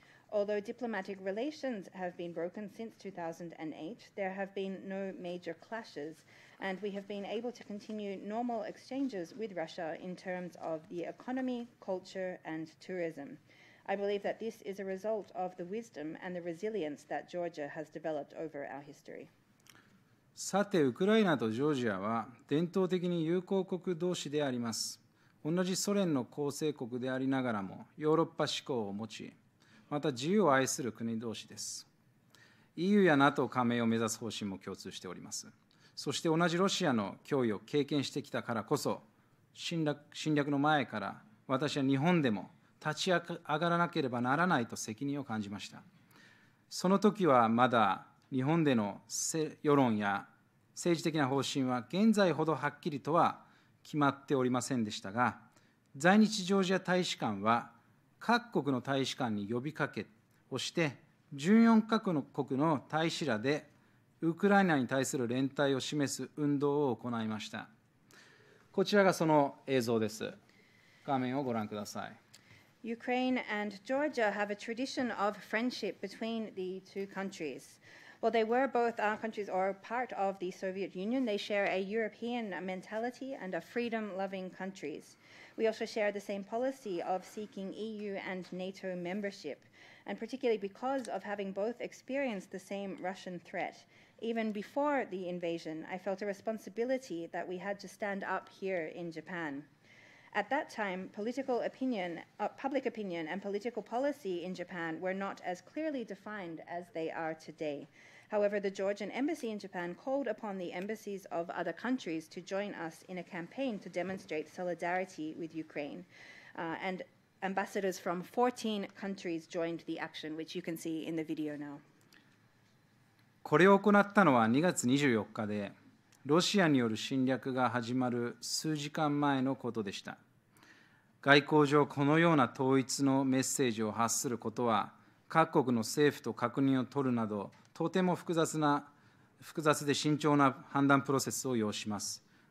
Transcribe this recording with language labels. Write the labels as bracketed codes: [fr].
[en] Although diplomatic relations have been broken since 2008, there have been no major clashes, and we have been able to continue normal exchanges with Russia in terms of the economy, culture, and tourism. I believe that this is a result of the wisdom and the resilience that Georgia has developed over our history. [ja] さて、ウクライナとジョージアは伝統的に友好国同士であります。同じソ連の構成国でありながらもヨーロッパ志向を持ち、また自由を愛する国同士です。 EU や NATO 加盟を目指す方針も共通しております。そして同じロシアの脅威を経験してきたからこそ、侵略の前から私は日本でも立ち上がらなければならないと責任を感じました。その時はまだ日本での世論や政治的な方針は現在ほどはっきりとは決まっておりませんでしたが、在日ジョージア大使館は各国の大使館に呼びかけをして、14カ国の大使らでウクライナに対する連帯を示す運動を行いました。こちらがその映像です。画面をご覧ください。 [en] Ukraine and Georgia have a tradition of friendship between the two countries. Well, they were both our countries or part of the Soviet Union. They share a European mentality and are freedom-loving countries. We also share the same policy of seeking EU and NATO membership, and particularly because of having both experienced the same Russian threat. Even before the invasion, I felt a responsibility that we had to stand up here in Japan. At that time, public opinion and political policy in Japan were not as clearly defined as they are today. However, the Georgian embassy in Japan called upon the embassies of other countries to join us in a campaign to demonstrate solidarity with Ukraine. And ambassadors from 14 countries joined the action, which you can see in the video now. [ja] これを行ったのは2月24日で、ロシアによる侵略が始まる数時間前のことでした。外交上このような統一のメッセージを発することは、各国の政府と確認を取るなど、とても複雑で慎重な判断プロセスを要します。